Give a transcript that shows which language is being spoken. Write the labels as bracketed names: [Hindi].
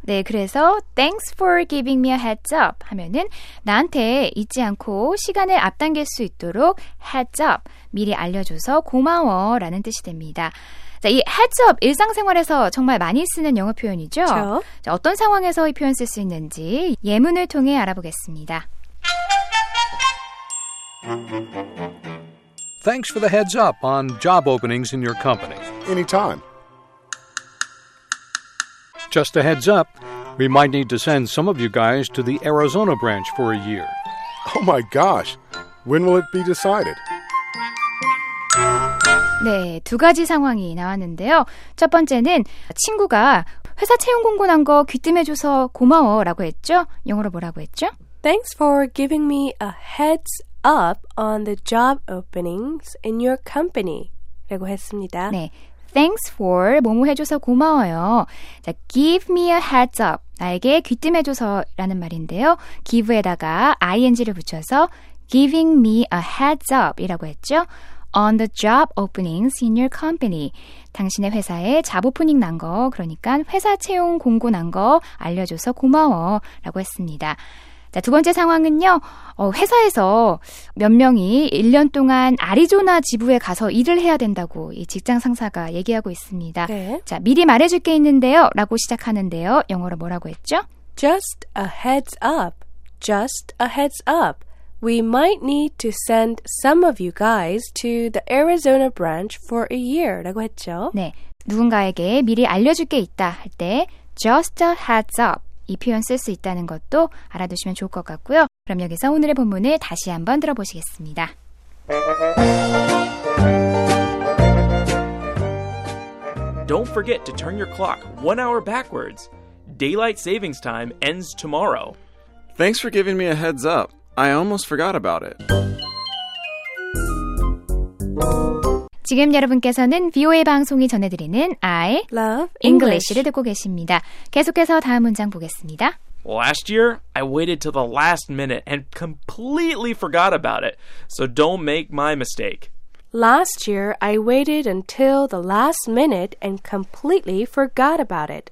[Korean] 네, 그래서 [English] thanks for giving me a heads up [Korean] 하면은 나한테 잊지 않고 시간을 앞당길 수 있도록 heads up, 미리 알려줘서 고마워 라는 뜻이 됩니다. 자, 이 heads up 일상생활에서 정말 많이 쓰는 영어 표현이죠. 자, 어떤 상황에서 이 표현 쓸 수 있는지 예문을 통해 알아보겠습니다. [English] Thanks for the heads up on job openings in your company. Anytime. Just a heads up, we might need to send some of you guys to the Arizona branch for a year. Oh my gosh, when will it be decided? [Korean] 네, 두 가지 상황이 나왔는데요. 첫 번째는 친구가 회사 채용 공고 난 거 귀띔해줘서 고마워라고 했죠. 영어로 뭐라고 했죠? [English] Thanks for giving me a heads up on the job openings in your company [Korean] 라고 했습니다. 네, [English] thanks for [Korean] 뭐뭐 해줘서 고마워요. 자, [English] give me a heads up, [Korean] 나에게 귀띔해줘서 라는 말인데요. give에다가 ing를 붙여서 [English] giving me a heads up [Korean] 이라고 했죠. [English] On the job openings in your company. [Korean] 당신의 회사에 잡 오프닝 난 거, 그러니까 회사 채용 공고 난 거 알려줘서 고마워 라고 했습니다. 자, 두 번째 상황은요. 회사에서 몇 명이 1년 동안 애리조나 지부에 가서 일을 해야 된다고 이 직장 상사가 얘기하고 있습니다. 네. 자, 미리 말해줄 게 있는데요 라고 시작하는데요. 영어로 뭐라고 했죠? [English] Just a heads up. Just a heads up. We might need to send some of you guys to the Arizona branch for a year [Korean] 라고 했죠. 네, 누군가에게 미리 알려줄 게 있다 할 때 [English] just a heads up [Korean] 이 표현 쓸 수 있다는 것도 알아두시면 좋을 것 같고요. 그럼 여기서 오늘의 본문을 다시 한번 들어보시겠습니다. [English] Don't forget to turn your clock 1 hour backwards. Daylight savings time ends tomorrow. Thanks for giving me a heads up. I almost forgot about it. [Korean] 지금 여러분께서는 VOA 방송이 전해드리는 I [English] Love English를 [Korean] 듣고 계십니다. 계속해서 다음 문장 보겠습니다. [English] Last year, I waited till the last minute and completely forgot about it. So don't make my mistake. Last year, I waited until the last minute and completely forgot about it.